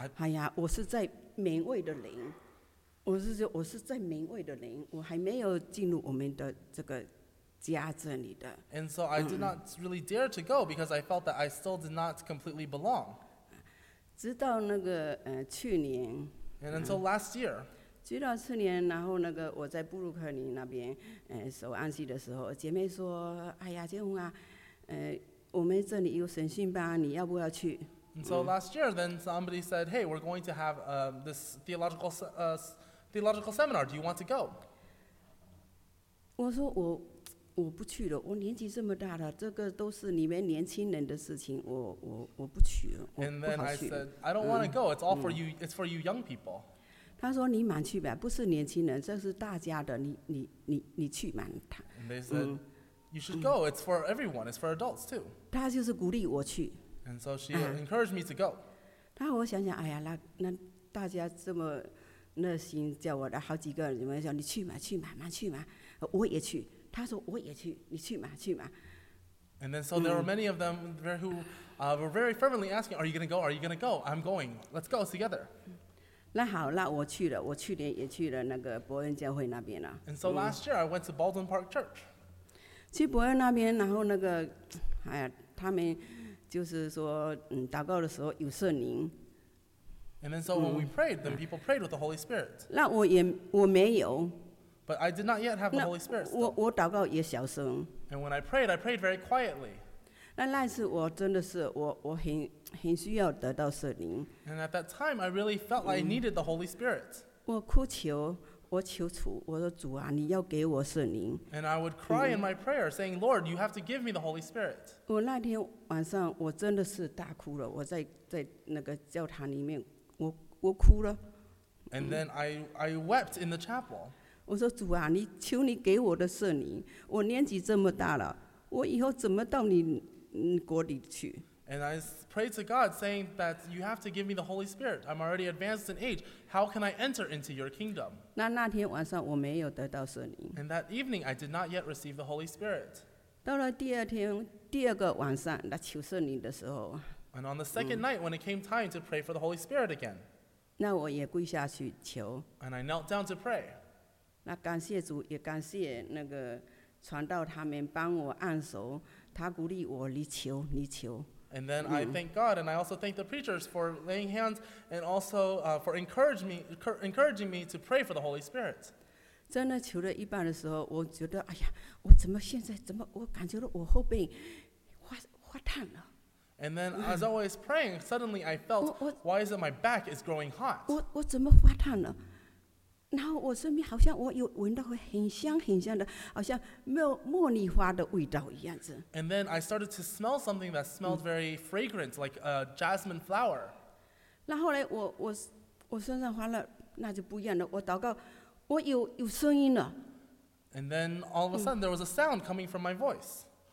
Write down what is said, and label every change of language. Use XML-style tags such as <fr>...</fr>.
<zh>哎呀，我是在门卫的灵，我是在门卫的灵，我还没有进入我们的这个家这里的。</zh> <en>And so I did not really dare to go because I felt that I still did not completely belong.</en> <zh>直到那个去年。</zh> <en>And until last year.</en> <zh>直到去年，然后那个我在布鲁克林那边，守安息的时候，姐妹说：“哎呀，建宏啊，我们这里有神训班，你要不要去？”</zh> <en>And so last year, then somebody said, "Hey, we're going to have this theological seminar. Do you want to go?"</en> <zh>我说我不去了，我年纪这么大了，这个都是你们年轻人的事情，我不去了，我不好去。</zh> <en>And then I said, "I don't want to go. It's all for you. It's for you, young people."</en> <zh>他说：“你满去吧，不是年轻人，这是大家的。你去满他。”</zh> <en>And they said, "You should go. It's for everyone. It's for adults too."</en> <zh>他就是鼓励我去。</zh> <en>And so she encouraged me to go.</en> <zh>他我想想，哎呀，那大家这么热心叫我的好几个人，你们说你去嘛，去嘛，满去嘛，我也去。他说我也去，你去嘛，去嘛。</zh> <en>And then so there were many of them who were very fervently asking, "Are you going to go? Are you going to go? I'm going. Let's go together."</en> <zh>那好，那我去了。我去年也去了那个伯恩教会那边了。</zh> <en>And so last year I went to Baldwin Park Church.</en> <zh>去伯恩那边，然后那个，哎呀，他们就是说，祷告的时候有圣灵。</zh> <en>And then so when we prayed, then people prayed with the Holy Spirit.</en> <zh>那我没有。</zh> <en>But I did not yet have the Holy Spirit.</en> <zh>我祷告也小声。</zh> <en>And when I prayed very quietly.</en> <zh>那次我真的是我很需要得到圣灵。</zh> <en>And at that time, I really felt like I needed the Holy Spirit.</en> <zh>我哭求，我求主，我说主啊，你要给我圣灵。</zh> <en>And I would cry in my prayer, saying, "Lord, you have to give me the Holy Spirit."</en> <zh>我那天晚上我真的是大哭了，我在那个教堂里面，我哭了。</zh> <en>And then I wept in the chapel.</en> <zh>我说主啊，你求你给我的圣灵，我年纪这么大了，我以后怎么到你？</zh> <en>And I prayed to God saying that you have to give me the Holy Spirit. I'm already advanced in age. How can I enter into your kingdom?</en> <zh>那天晚上我没有得到圣灵。</zh> <en>And that evening I did not yet receive the Holy Spirit.</en> <zh>到了第二天，第二个晚上，那求圣灵的时候。</zh> <en>And on the second night when it came time to pray for the Holy Spirit again.</en> <zh>那我也跪下去求。</zh> <en>And I knelt down to pray.</en> <zh>那感谢主，也感谢那个传道他们帮我按手。他鼓励我，你求，你求。</zh> <en>And then I thank God, and I also thank the preachers for laying hands and also for encouraging me to pray for the Holy Spirit.</en> <zh>真的求了一半的时候，我觉得，哎呀，我怎么现在怎么，我感觉到我后背发我头发烫了。</zh> <en>And then as I was praying, suddenly I felt, why is it my back is growing hot?</en> <zh>我怎么发烫了? 然后我身边好像我有闻到很香很香的，好像没有茉莉花的味道一样子。</zh> <en>And then I started to smell something that smelled very fragrant, like a jasmine flower.</en> <zh>然后呢，我身上发了，那就不一样了。我祷告，我有声音了。</zh> <en>And then all of a sudden there was a sound coming from my voice.</en>